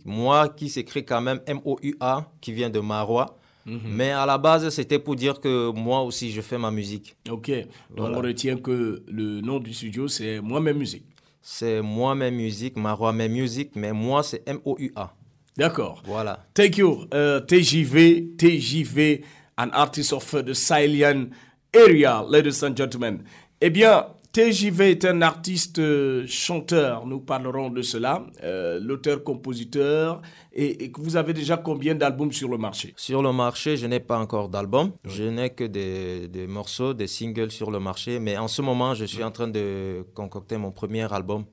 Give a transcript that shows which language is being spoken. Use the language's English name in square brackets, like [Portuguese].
[French] Moi qui s'écrit quand même M-O-U-A, qui vient de Maroua. Mm-hmm. Mais à la base, c'était pour dire que moi aussi, je fais ma musique. Ok, donc voilà. On retient que le nom du studio, c'est Moi-même Music. C'est moi, mes musiques, ma roi, mes musiques, mais moi, c'est M-O-U-A. D'accord. Voilà. [English] Thank you, TJV, TJV, an artist of the Sahelian area, ladies and gentlemen. [French] Eh bien, TJV est un artiste chanteur, nous parlerons de cela, l'auteur-compositeur. Et vous avez déjà combien d'albums sur le marché? Sur le marché, je n'ai pas encore d'album. Oui. Je n'ai que des morceaux, des singles sur le marché. Mais en ce moment, je suis en train de concocter mon premier album.